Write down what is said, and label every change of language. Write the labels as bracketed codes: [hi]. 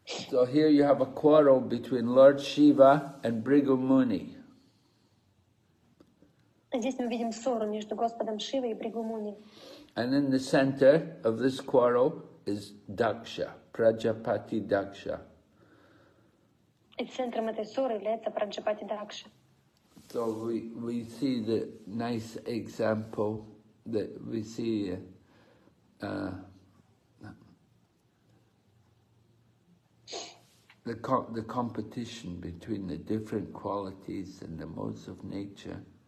[en] So here you have a quarrel between Lord Shiva and Bhrigu Muni. [ru] Здесь мы видим ссору между Господом Шивой и Бригу Муни. [en] And in the center of this quarrel is Daksha, Prajapati Daksha. [ru] И центром этой ссоры является Праджапати Дакша. [en] So we see the nice example that we see the competition between the different qualities and the modes of nature.